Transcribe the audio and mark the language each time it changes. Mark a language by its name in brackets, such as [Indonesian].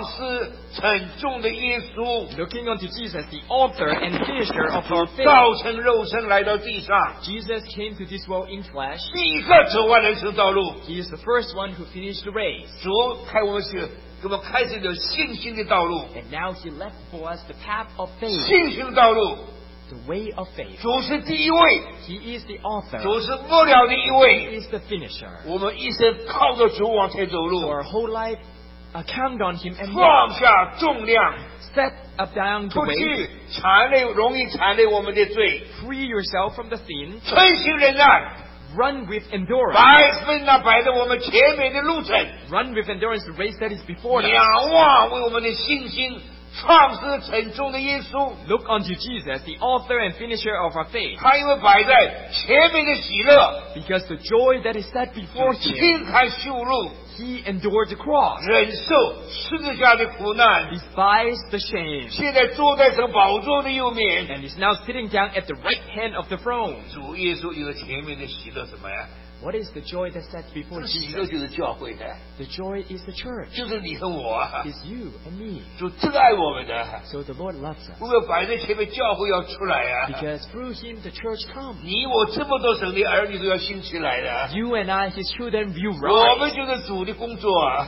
[Chinese] 仰望为我们的信心创始成终的耶稣, [English] looking unto Jesus, the author and finisher of our faith. [Chinese] 道成肉身来到地上, [English] Jesus came to this world in flesh. [Chinese] 第一个走完人生道路, [English] he is the first one who finished the race. [Chinese] 主开我们去给我们开始有信心的道路, [English] and now he left for us the path of faith. [Chinese] 信心的道路, [English] the way of faith. [Chinese] 主是第一位, [English] he is the author. [Chinese] 主是末了的一位, [English] he is the finisher. [Chinese] 我们一生靠着主往前走路, [English] so our whole life count on him and [Chinese] 放下重量, [English] set up down the weight, [Chinese] 容易缠累我们的罪, [English] free yourself from the sin, [Chinese] 诚心忍耐, [English] run with endurance, [Chinese] 摆在我们前面的路程, [English] run with endurance the race that is before us. [Chinese] 仰望为我们的信心 创始成终的耶稣, [English] look unto Jesus, the author and finisher of our faith. [Chinese] 他因为摆在前面的喜乐, [English] because the joy that is set before him, [Chinese] 钉开羞辱, [English] he endured the cross, [Chinese] 忍受十字架的苦难, [English] despised the shame, [Chinese] 现在坐在神宝座的右面, [English] and is now sitting down at the right hand of the throne. [Chinese] 主耶稣有前面的喜乐什么呀? [English] What is the joy that sets before Jesus? The joy is the church. It's you and me. So the Lord loves us. Because through him, the church comes. You and I, his children, you rise.